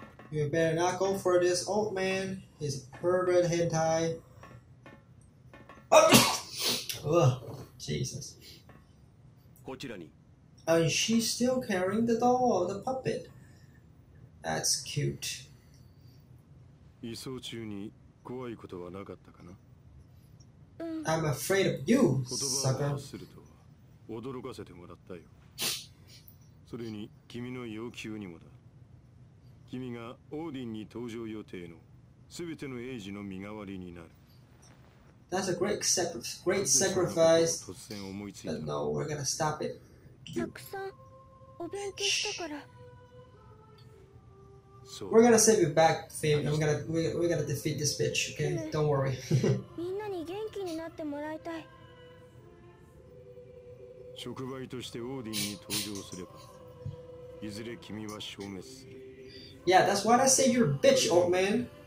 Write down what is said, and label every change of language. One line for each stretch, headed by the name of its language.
English: You better not go for this old man. He's a pervert hentai. Ugh, Jesus. And she's still carrying the doll or the puppet. That's cute.
Japanese: 移送中に怖いことはなかったかな?
English: I'm afraid of you, sucker.
Japanese: 言葉を発すると驚かせてもらったよ。それに君の要求にもだ。君がオーディンに搭乗予定の全てのエイジの身代わりになる。
English: That's a great, great sacrifice. But no, we're going to stop it.
Japanese: たくさんお勉強したから。
English: We're going to save you back, Finn. We're going to defeat this bitch, okay? Don't worry.
Japanese: みんなに元気になってもらいたい。触媒としてオーディンに登場すれば、いずれ君は消滅する。
English: Yeah, that's why I say you're a bitch, old man.